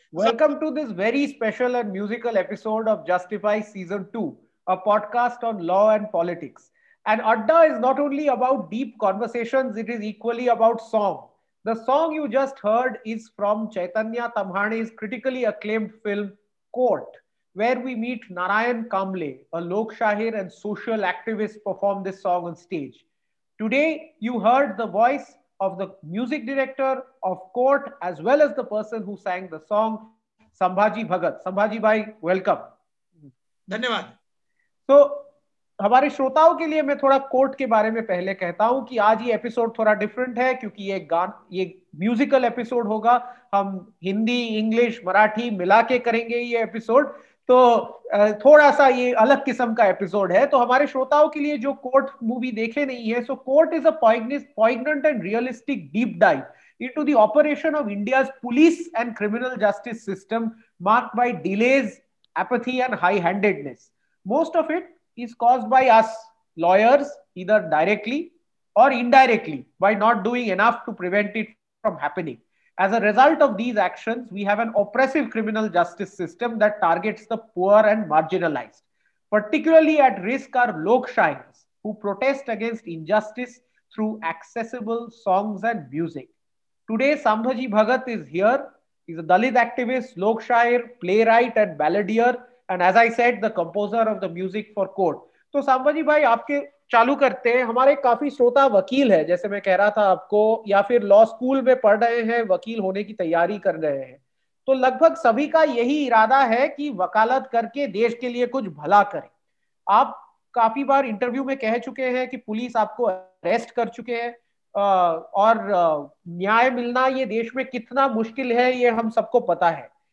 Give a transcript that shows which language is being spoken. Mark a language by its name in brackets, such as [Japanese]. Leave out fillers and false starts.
[English] Welcome to this very special and musical episode of Justify season 2, a podcast on law and politics. And Adda is not only about deep conversations, it is equally about song. The song you just heard is from Chaitanya Tamhane's critically acclaimed film, Court, where we meet Narayan Kamble, a Lok Shahir and social activist, perform this song on stage. Today, you heard the voice of the music director of Court, as well as the person who sang the song, Sambhaji Bhagat. Sambhaji Bhai, welcome. Dhanyavad. [Hindi] So, हमारे श्रोताओं के लिए मैं थोड़ा court के बारे में पहले कहता हूँ कि आज ये एपिसोड थोड़ा डिफरेंट है, क्योंकि ये म्यूजिकल एपिसोड होगा. हम हिंदी इंग्लिश मराठी मिला के करेंगे ये एपिसोड, तो थोड़ा सा ये अलग किस्म का एपिसोड है. तो हमारे श्रोताओं के लिए जो कोर्ट मूवी देखे नहीं है, [English] So Court is a poignant and realistic deep dive into the operation of India's police and criminal justice system mark by delays apathy and high handedness. Most of it is caused by us lawyers, either directly or indirectly, by not doing enough to prevent it from happening. As a result of these actions, we have an oppressive criminal justice system that targets the poor and marginalized. Particularly at risk are Lok Shahirs, who protest against injustice through accessible songs and music. Today, Sambhaji Bhagat is here. He's a Dalit activist, Lok Shahir, playwright and balladeer, and as I said, the composer of the music for Court. [Hindi] So, Sambhaji Bhai, आपके चालू करते हैं. हमारे काफी श्रोता वकील है, जैसे मैं कह रहा था आपको, या फिर लॉ स्कूल में पढ़ रहे हैं, वकील होने की तैयारी कर रहे हैं. तो लगभग सभी का यही इरादा है कि वकालत करके देश के लिए कुछ भला करें. आप काफी बार इंटरव्यू में कह चुके हैं कि पुलिस आपको अरेस्ट कर चुके हैं और न्याय मिलना ये देश में कितना मुश्किल है, ये हम सबको पता है.